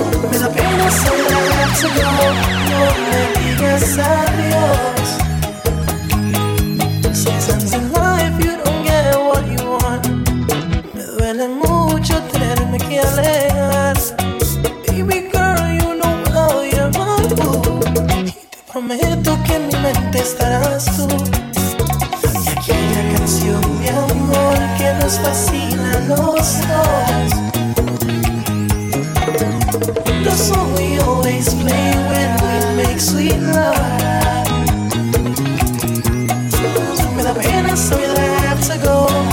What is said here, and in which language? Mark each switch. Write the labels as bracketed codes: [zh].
[es] Me da pena saber que yo no le digas adiós. [en] Sometimes in life you don't get what you want. [es] Me duele mucho tenerme que alejar. [en] Baby girl, you know how you're my boo. [es] Y te prometo que en mi mente estarás tú. Y aquella canción de amor que nos fascina a los dos. [en] The song we always play when we make sweet love. [es] Me da pena saber [en] that I have to go.